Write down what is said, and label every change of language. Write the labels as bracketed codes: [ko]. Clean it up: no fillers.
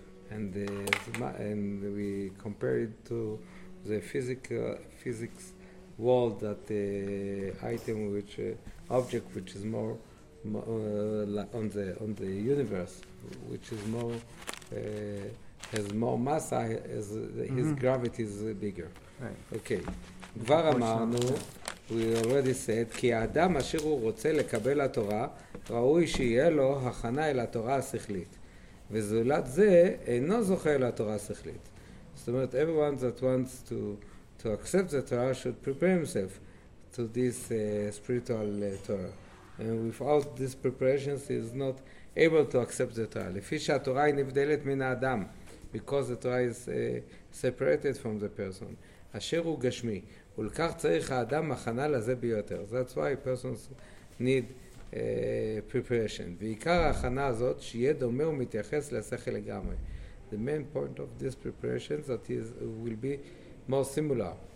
[en] And we compare it to the physics world, that the item which object which is more on the universe, which is more has more mass, as his gravity is bigger. Right. Okay. [he] כבר אמרנו, [en] we already said, [he] כי האדם אשר הוא רוצה לקבל התורה, ראוי שיהיה לו הכנה אל התורה השכלית. וזולת זה אינו זוכה אל התורה השכלית. זאת אומרת, [en] everyone that wants to accept the Torah should prepare himself to this spiritual Torah. And without these preparations, he is not able to accept the Torah. [he] לפי שהתורה היא נבדלת מן האדם, [en] because the Torah is separated from the person. [he] אשר הוא גשמי, ולכך צריך האדם הכנה לזה ביותר. [en] That's why persons need preparation. [he] ועיקר ההכנה הזאת, שיהיה דומה ומתייחס לשכל לגמרי. [en] The main point of this preparation that is will be more similar.